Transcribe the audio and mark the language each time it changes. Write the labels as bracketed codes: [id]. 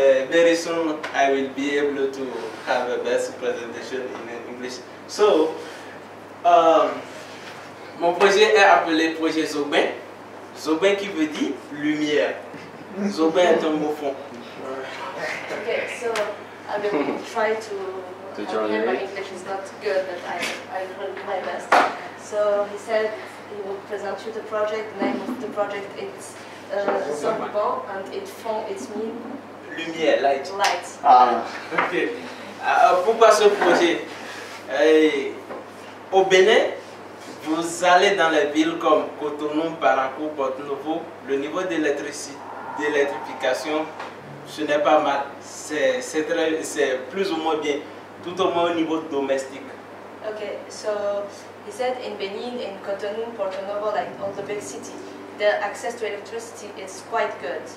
[en] Very soon I will be able to have a best presentation in English. [fr] So, mon projet est appelé projet Zobin. Zobin qui veut dire lumière. Zobin est un mot fond. [en] Okay, so I will try to join him. My English is not good, but I will do my best. So he said he will present you the project. The name of the project is Zobin, and it font it's mean [fr] lumière, light. [en] Light. [fr] Okay. Pourquoi ce projet? Au Bénin, vous allez dans les villes comme Cotonou, Parakou, Porto-Novo, le niveau d'électrification, ce n'est pas mal. C'est plus ou moins bien, tout au moins au niveau domestique. [en] Ok, so he said in Benin, in Cotonou, Porto-Novo, like all the big cities, the access to electricity is quite good.